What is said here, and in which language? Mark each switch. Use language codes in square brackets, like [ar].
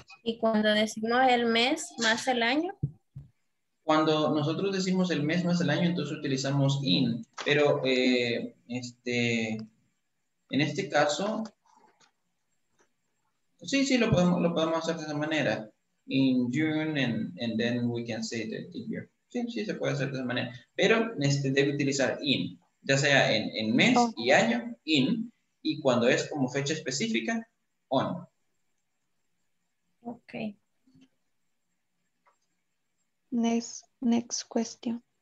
[es] Y cuando decimos el mes más el año, cuando nosotros decimos el mes más el año, entonces utilizamos in. Pero en este caso, sí, lo podemos hacer de esa manera. [en] In June and then we can say the year. [es] Sí, se puede hacer de esa manera. Pero debe utilizar in, ya sea en mes y año, in. Y cuando es como fecha específica, on. [en] Ok. Next question.